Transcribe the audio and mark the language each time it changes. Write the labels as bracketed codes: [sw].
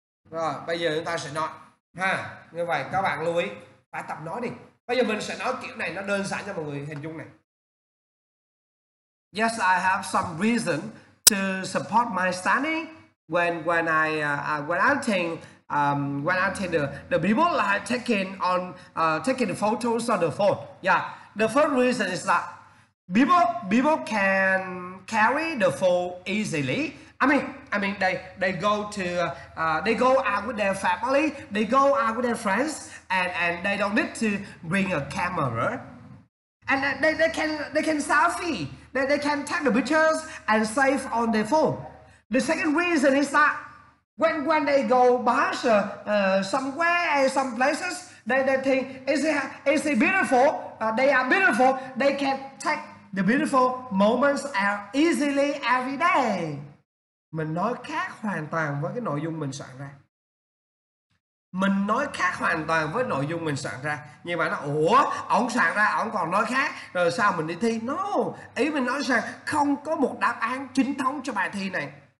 [vi] Rồi, bây giờ chúng ta sẽ nói ha. Như vậy các bạn lưu ý phải tập nói đi. Bây giờ mình sẽ nói kiểu này, nó đơn giản cho mọi người hình dung này. [en] Yes, I have some reason to support my studying when I think the people like taking photos on the phone. Yeah, the first reason is that people can carry the phone easily. I mean, they go out with their family, they go out with their friends, and they don't need to bring a camera, and they can selfie, they can take the pictures and save on their phone. The second reason is that when they go bus somewhere and some places, they think it's beautiful. They are beautiful. They can take the beautiful moments are easily every day. [vi] Mình nói khác hoàn toàn với cái nội dung mình soạn ra. Mình nói khác hoàn toàn với nội dung mình soạn ra. Nhưng mà nó, ủa, ổng soạn ra, ổng còn nói khác. Rồi sao mình đi thi? No, ý mình nói rằng không có một đáp án chính thống cho bài thi này.